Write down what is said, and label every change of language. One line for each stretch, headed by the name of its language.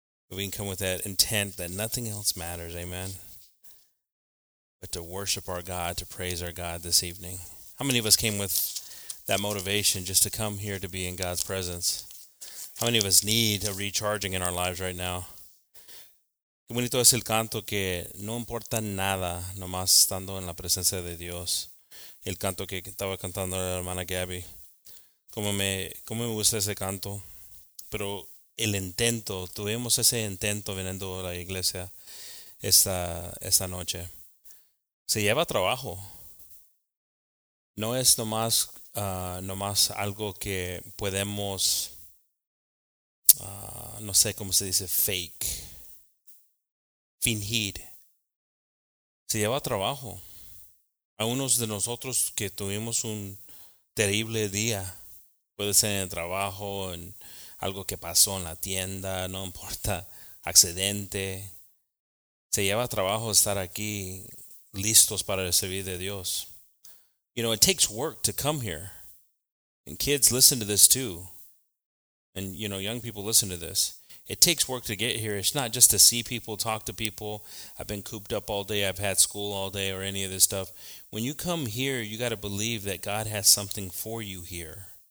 English: We can come with that intent that nothing else matters. Amen. But to worship our God, to praise our God this evening. How many of us came with that motivation just to come here to be in God's presence? How many of us need a recharging in our lives right now?
Spanish: Qué bonito es el canto que no importa nada, nomás estando en la presencia de Dios. El canto que estaba cantando la hermana Gabby. Cómo me gusta ese canto. Pero el intento, tuvimos ese intento viniendo a la iglesia esta noche. Se lleva trabajo. No es nomás algo que podemos, no sé cómo se dice, fingir. Se lleva trabajo. A unos de nosotros que tuvimos un terrible día, puede ser en el trabajo, en algo que pasó en la tienda, no importa, accidente. Se lleva trabajo estar aquí listos para servir de Dios.
English: You know, it takes work to come here. And kids, listen to this too. And, you know, young people, listen to this. It takes work to get here. It's not just to see people, talk to people. I've been cooped up all day. I've had school all day or any of this stuff. When you come here, you got to believe that God has something for you here.